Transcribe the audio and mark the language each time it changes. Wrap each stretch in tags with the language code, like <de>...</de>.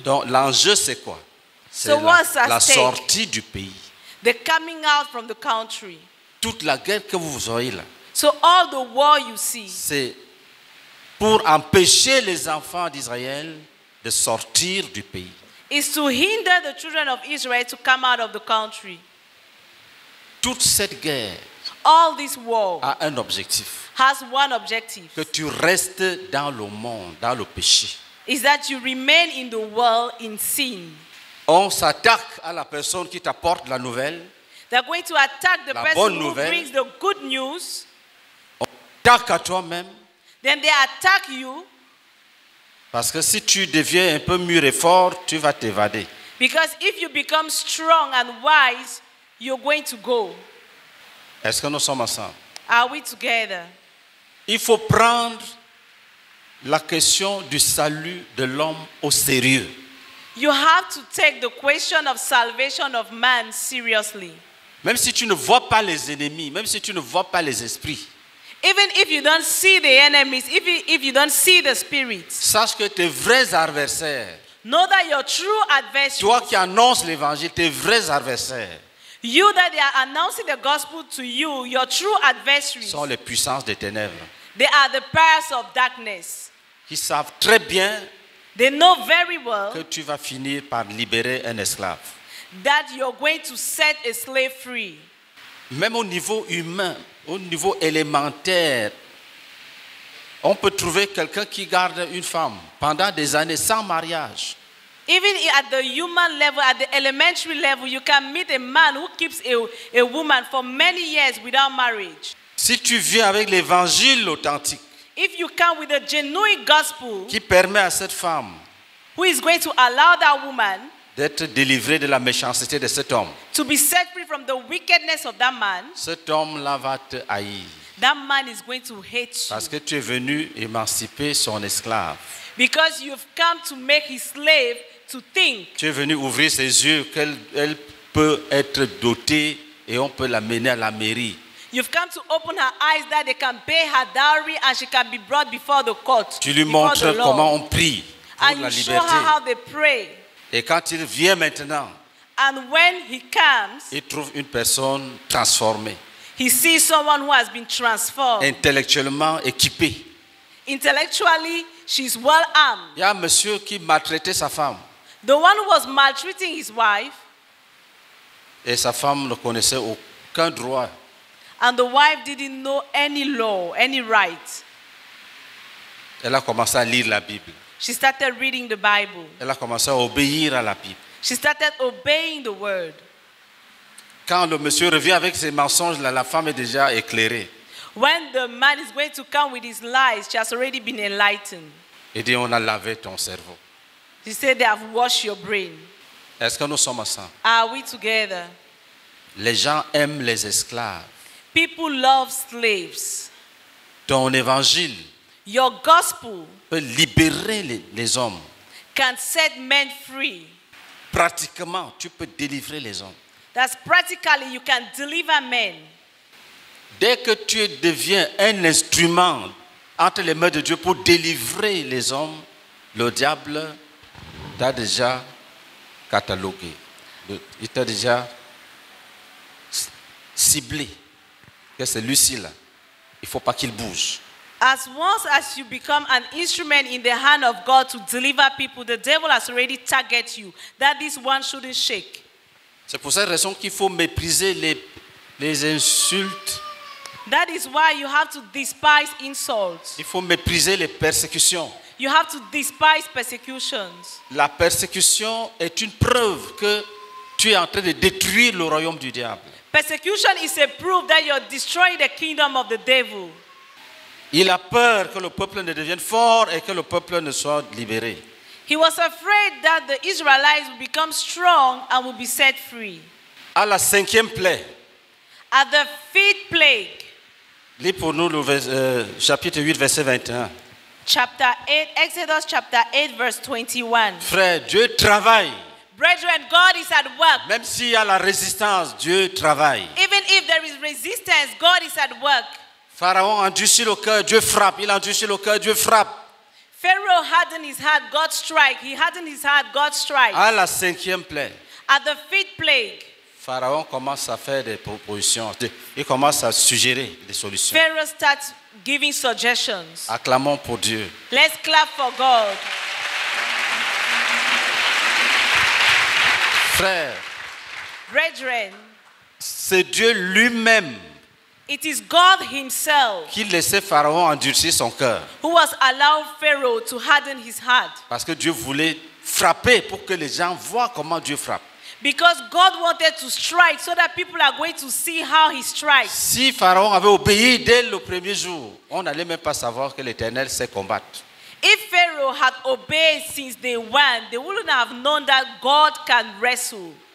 <fr>Donc l'enjeu c'est quoi? C'est</fr> <en>so</en> <fr>la sortie du pays.</fr> <en>The coming out from the country.</en> <fr>Toute la guerre que vous aurez là.</fr> <en>So all the war you see,</en> <fr>c'est pour empêcher les enfants d'Israël de sortir du pays.</fr> <en>is to hinder the children of Israel to come out of the country.</en> <fr>Toute cette guerre,</fr> <en>all this war,</en> <fr>a un objectif,</fr> <en>has one objective.</en> <fr>Que tu restes dans le monde, dans le péché.</fr> <en>Is that you remain in the world in sin.</en> <fr>On s'attaque à la personne qui t'apporte la nouvelle.</fr> <en>They're going to attack the</en> <fr>la</fr> <en>person who</en> <fr>nouvelle.</fr> <en>Brings the good news.</en> <fr>On t'attaque à toi-même.</fr> <en>Then they attack you.</en> <fr>Parce que si tu deviens un peu mûr et fort, tu vas t'évader.</fr> <en>Because if you become strong and wise, you're going to go.</en> <fr>Est-ce que nous sommes ensemble?</fr> <en>Are we together?</en> <fr>Il faut prendre la question du salut de l'homme au sérieux.</fr> <en>You have to take the question of salvation of man seriously.</en> <fr>Même si tu ne vois pas les ennemis, même si tu ne vois pas les esprits.</fr> <en>Even if you don't see the enemies, if you don't see the spirits.</en> <fr>Sache que tes vrais adversaires.</fr> <en>Know that your true adversaries.</en> <fr>Toi qui annonces l'évangile, tes vrais adversaires.</fr> <en>You that they are announcing the gospel to you, your true adversaries.</en> <fr>Sont les puissances des ténèbres.</fr> <en>They are the powers of darkness.</en> <fr>Ils savent très bien.</fr> <en>They know very well</en> <fr>que tu vas finir par libérer un esclave.</fr> <en>That you're going to set a slave free.</en> <fr>Même au niveau humain, au niveau élémentaire, on peut trouver quelqu'un qui garde une femme pendant des années sans mariage.</fr> <en>Even at the human level, at the elementary level, you can meet a man who keeps a woman for many years without marriage.</en> <fr>Si tu viens avec l'évangile authentique,</fr> <en>if you come with a genuine gospel,</en> <fr>qui permet à cette femme,</fr> <en>who is going to allow that woman,</en> <fr>d'être délivrée de la méchanceté de cet homme,</fr> <en>to be set free from the wickedness of that man,</en> <fr>cet homme-là va te haïr.</fr> <en>That man is going to hate you.</en> <fr>Parce que tu es venu émanciper son esclave.</fr> <en>Because you've come to make his slave to think.</en> <fr>Tu es venu ouvrir ses yeux qu'elle elle peut être dotée et on peut l'amener à la mairie.</fr> <en>You've come to open her eyes that they can pay her dowry and she can be brought before the court.</en> <fr>Tu lui montres comment on prie pour</fr> <en>and</en> <fr>la</fr> <en>you</en> <fr>liberté.</fr> <en>Show her how they pray.</en> <fr>Et quand il vient maintenant,</fr> <en>and when he comes,</en> <fr>il trouve une personne transformée.</fr> <en>He sees someone who has been transformed.</en> <fr>Intellectuellement équipée.</fr> <en>Intellectually, she's well armed.</en> <fr>Il y a un monsieur qui maltraitait sa femme.</fr> <en>The one who was maltreating his wife.</en> <fr>Et sa femme ne connaissait aucun droit.</fr> <en>And the wife didn't know any law, any right.</en> <fr>Elle a commencé à lire la Bible.</fr> <en>She started reading the Bible.</en> <fr>Elle a commencé à obéir à la Bible.</fr> <en>She started obeying the word.</en> <fr>Quand le monsieur revient avec ses mensonges, la femme est déjà éclairée.</fr> <en>When the man is going to come with his lies, she has already been enlightened.</en> <fr>Il dit, on a lavé ton cerveau.</fr> <en>She said, they have washed your brain.</en> <fr>Est-ce que nous sommes ensemble?</fr> <en>Are we together?</en> <fr>Les gens aiment les esclaves.</fr> <en>People love slaves.</en> <fr>Ton évangile,</fr> <en>your gospel,</en> <fr>peut libérer les hommes.</fr> <en>Can set men free.</en> <fr>Pratiquement, tu peux délivrer les hommes.</fr> <en>That's practically you can deliver men.</en> <fr>Dès que tu deviens un instrument entre les mains de Dieu pour délivrer les hommes, le diable t'a déjà catalogué. Il t'a déjà ciblé. Que c'est lui-ci-là. Il ne faut pas qu'il bouge.</fr> <en>As once as you become an instrument in the hand of God to deliver people, the devil has already targeted you. That this one shouldn't shake.</en> <fr>C'est pour cette raison qu'il faut mépriser les insultes.</fr> <en>That is why you have to despise insults.</en> <fr>Il faut mépriser les persécutions.</fr> <en>You have to despise persecutions.</en> <fr>La persécution est une preuve que tu es en train de détruire le royaume du diable.</fr> <en>Persecution is a proof that you're destroying the kingdom of the devil.</en> <fr>Il a peur que le peuple ne devienne fort et que le peuple ne soit libéré.</fr> <en>He was afraid that the Israelites would become strong and would be set free.</en> <fr>À la cinquième plaie.</fr> <en>At the fifth plague.</en> <fr>Lis pour nous chapitre 8, verset 21.</fr> <en>Chapter 8, Exodus chapter 8, verse 21.</en> <fr>Frère, Dieu travaille.</fr> <en>Brethren, God is at work.</en> <fr>Même s'il y a la résistance, Dieu travaille.</fr> <en>Even if there is resistance, God is at work.</en> <fr>Pharaon endurcit le cœur, Dieu frappe. Il endurcit le cœur, Dieu frappe.</fr> <en>Pharaoh hardened his heart, God strike. He hardened his heart, God strike.</en> <fr>À la cinquième plaie.</fr> <en>At the fifth plague.</en> <fr>Pharaon commence à faire des propositions. Il commence à suggérer des solutions.</fr> <en>Pharaoh starts giving suggestions.</en> <fr>Acclamons pour Dieu.</fr> <en>Let's clap for God.</en> <fr>Frère,</fr> <en>brethren,</en> <fr>c'est Dieu lui-même.</fr> <en>It is God himself</en> <fr>qui laissait Pharaon endurcir son cœur.</fr> <en>Who was allowed Pharaoh to harden his heart?</en> <fr>Parce que Dieu voulait frapper pour que les gens voient comment Dieu frappe.</fr> <en>Because God wanted to strike so that people are going to see how he strikes.</en> <fr>Si Pharaon avait obéi dès le premier jour, on n'allait même pas savoir que l'Éternel sait combattre.</fr> <en>If Pharaoh had obeyed since day one, they wouldn't have known that God can wrestle.</en>